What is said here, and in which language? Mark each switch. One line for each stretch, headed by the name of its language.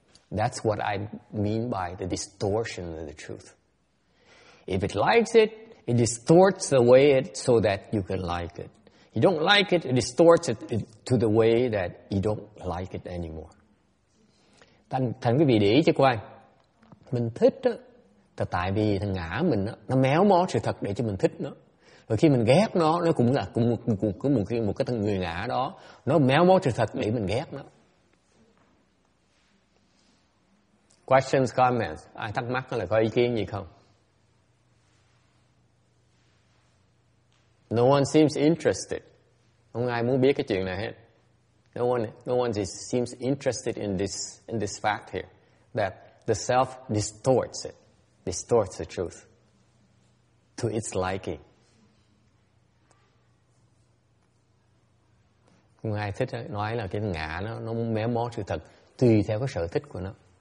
English: That's what I mean by the distortion of the truth. If it likes it, it distorts the way it so that you can like it. You don't like it, it distorts it to the way that you don't like it anymore.
Vietnamese: Thành cái vị để ý cho coi. Mình thích đó, là tại vì thằng ngã mình đó, nó méo mó sự thật để cho mình thích nó. Rồi khi mình ghét nó cũng là cùng một cái thằng người ngã đó, nó méo mó sự thật để mình ghét nó.
English: Questions, comments.
Vietnamese: Ai thắc mắc là có ý kiến gì không?
English: No one seems interested.
Vietnamese: Không ai muốn biết cái chuyện này hết.
English: No one seems interested in this fact here that the self distorts the truth to its liking.
Vietnamese: Không ai thích nói là cái ngã nó méo mó sự thật tùy theo cái sở thích của nó.